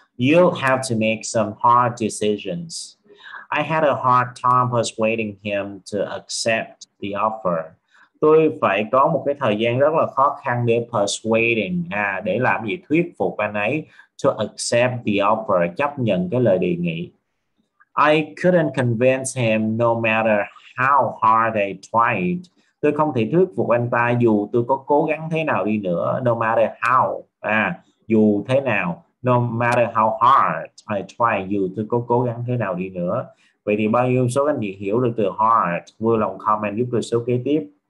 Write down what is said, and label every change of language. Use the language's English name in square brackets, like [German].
[English] You'll have to make some hard decisions. I had a hard time persuading him to accept the offer. [Vietnamese] Tôi phải có một cái thời gian rất là khó khăn để [English] persuading, [Vietnamese] để làm gì thuyết phục anh ấy [English] to accept the offer, [Vietnamese] chấp nhận cái lời đề nghị. [English] I couldn't convince him no matter how hard I tried. [Vietnamese] Tôi không thể thuyết phục anh ta dù tôi có cố gắng thế nào đi nữa, [English] no matter how, [Vietnamese] dù thế nào. [English] No matter how hard I try, [Vietnamese] dù tôi có cố gắng thế nào đi nữa. Vậy thì bao nhiêu số anh chị hiểu được từ hard? Vui lòng comment giúp tôi số kế tiếp.